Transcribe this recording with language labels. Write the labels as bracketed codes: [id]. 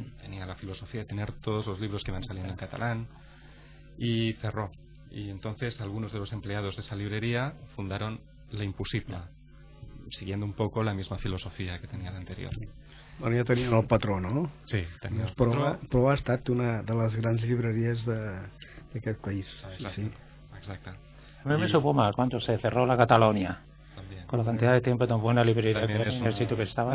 [es] Tenía la filosofía de tener todos los libros que van saliendo en catalán, y cerró. Y entonces algunos de los empleados de esa librería fundaron Lo Imposible, siguiendo un poco la misma filosofía que tenía la anterior. [ca] Bueno, ja tenien el patró, no? Sí, tenien el patró. Però ha estat una de les grans llibreries d'aquest país. Exacte. [es] A mi me supo mal quan se cerró la Catalunya. Con la cantidad de tiempo tan buena librería que en el sitio que estaba.